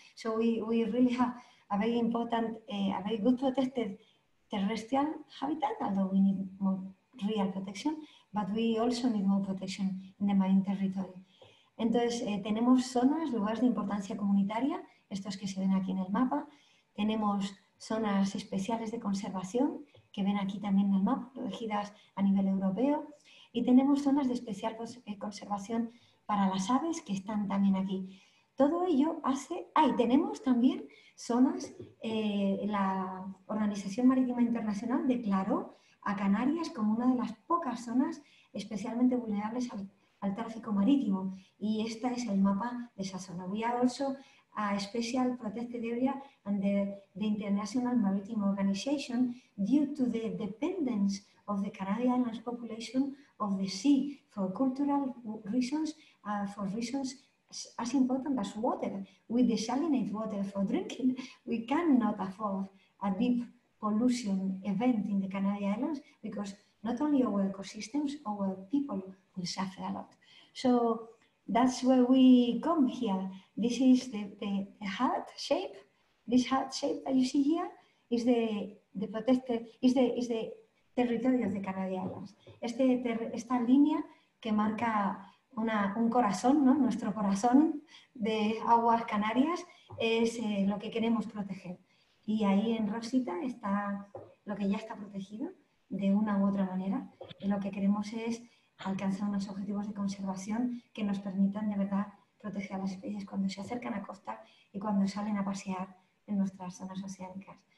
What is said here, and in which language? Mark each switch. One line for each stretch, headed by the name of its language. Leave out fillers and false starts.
English: So we really have a very important, a very good protected terrestrial habitat, although we need more real protection, but we also need more protection in the marine territory.
Spanish: Entonces, tenemos zonas, lugares de importancia comunitaria, estos que se ven aquí en el mapa. Tenemos zonas especiales de conservación, que ven aquí también en el mapa, protegidas a nivel europeo. Y tenemos zonas de especial conservación para las aves, que están también aquí. Todo ello hace... Ah, y tenemos también zonas... la Organización Marítima Internacional declaró a Canarias como una de las pocas zonas especialmente vulnerables al tráfico marítimo. Y este es el mapa de esa zona. Voy a
English: also a special protected area under the International Maritime Organization due to the dependence of the Canary Islands population of the sea for cultural reasons, for reasons as important as water. We desalinate water for drinking. We cannot afford a deep pollution event in the Canary Islands because not only our ecosystems, our people will suffer a lot. So that's where we come here. This is the heart shape. This heart shape that you see here is the protected is the territory of the Canary Islands.
Spanish: Esta línea que marca un corazón, ¿no? Nuestro corazón de aguas canarias es lo que queremos proteger. Y ahí en rosita está lo que ya está protegido de una u otra manera. Y lo que queremos es alcanzar unos objetivos de conservación que nos permitan de verdad proteger a las especies cuando se acercan a costa y cuando salen a pasear en nuestras zonas oceánicas.